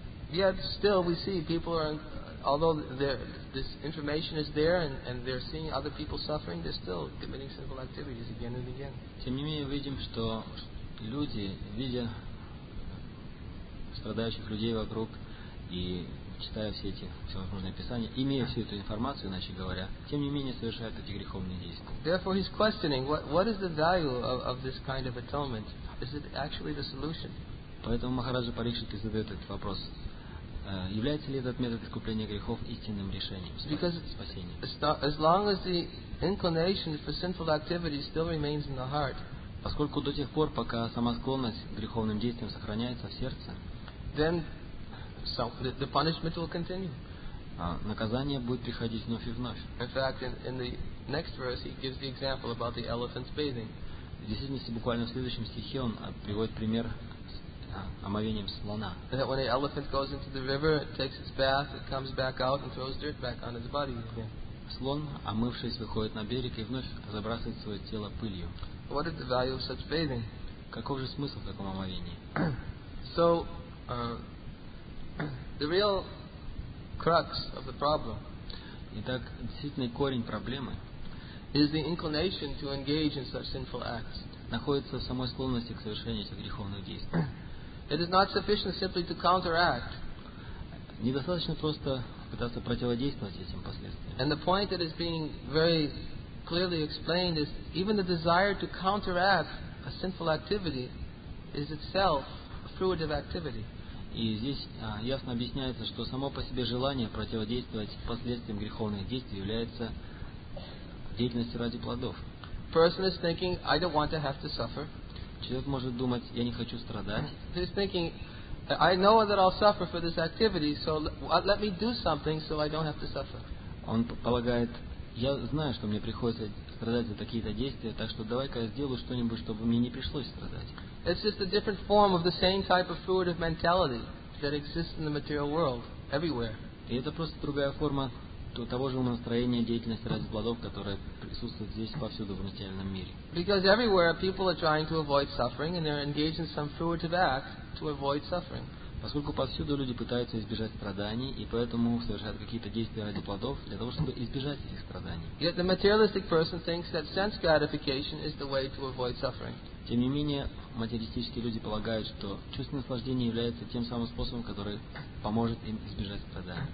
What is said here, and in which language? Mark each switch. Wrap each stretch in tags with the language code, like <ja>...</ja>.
<en>Yet still we see people are, although this information is there and they're seeing other people suffering, they're still committing sinful activities again and again.</en> <ru>Тем не менее видим, что люди, видя страдающих людей вокруг и читая все эти всевозможные писания, имея всю эту информацию, иначе говоря, тем не менее совершают эти греховные действия.</ru> <en>Therefore he's questioning what is the value of this kind of atonement? Is it actually the solution?</en> <ru>Поэтому Махараджа Парикшит задает этот вопрос. Является ли этот метод искупления грехов истинным решением спасения?</ru> <en>As long as the inclination for sinful activity still remains in the heart,</en> <ru>поскольку до тех пор, пока сама склонность к греховным действиям сохраняется в сердце,</ru> <en>then the punishment will continue.</en> <ru>Наказание будет приходить вновь и вновь.</ru> <en>In fact, in the next verse he gives the example about the elephant's bathing.</en> <ru>В действительности, буквально в следующем стихе он приводит пример омовением слона.</ru> <en>That when an elephant goes into the river, it takes its bath, it comes back out and throws dirt back on its body.</en> <ru>Слон, омывшись, выходит на берег и вновь забрасывает свое тело пылью.</ru> <en>What is the value of such bathing?</en> <ru>Каков же смысл в таком омовении?</ru> <en>So, the real crux of the problem.</en> <ru>Итак, действительный корень проблемы.</ru> <en>Is the inclination to engage in such sinful acts.</en> <ru>Находится в самой склонности к совершению этих греховных действий.</ru> <en>It is not sufficient simply to counteract.</en> <ru>Недостаточно просто пытаться противодействовать этим последствиям.</ru> <en>And the point that is being very clearly explained is even the desire to counteract a sinful activity is itself a fruitive activity.</en> <ru>И здесь ясно объясняется, что само по себе желание противодействовать последствиям греховных действий является деятельностью ради плодов.</ru> <en>Person is thinking, I don't want to have to suffer.</en> <ru>Человек может думать, я не хочу страдать.</ru> <en>He's thinking, I know that I'll suffer for this activity, so let me do something so I don't have to suffer.</en> <ru>Он полагает, я знаю, что мне приходится страдать за такие-то действия, так что давай-ка я сделаю что-нибудь, чтобы мне не пришлось страдать.</ru> <en>It's just a different form of the same type of fruitive mentality that exists in the material world, everywhere.</en> <ru>И это просто другая форма того же умонастроения, деятельности ради плодов, которая присутствует здесь повсюду в материальном мире.</ru> <en>Because everywhere people are trying to avoid suffering and they're engaged in some fruitive act to avoid suffering.</en> <ru>Поскольку повсюду люди пытаются избежать страданий и поэтому совершают какие-то действия ради плодов для того, чтобы избежать этих страданий.</ru> <en>Yet the materialistic person thinks that sense gratification is the way to avoid suffering.</en> <ru>Тем не менее, материалистические люди полагают, что чувственное наслаждение является тем самым способом, который поможет им избежать страданий.</ru>